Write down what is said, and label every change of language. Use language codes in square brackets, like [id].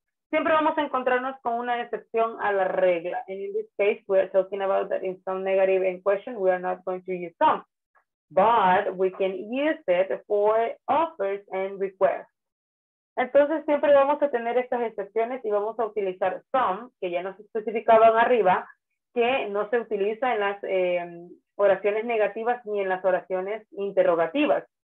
[es] Siempre vamos a encontrarnos con una excepción a la regla. [en] And in this case, we are talking about that in some negative in question, we are not going to use some. But we can use it for offers and requests. [es] Entonces siempre vamos a tener estas excepciones y vamos a utilizar some, que ya nos especificaban arriba, que no se utiliza en las oraciones negativas ni en las oraciones interrogativas.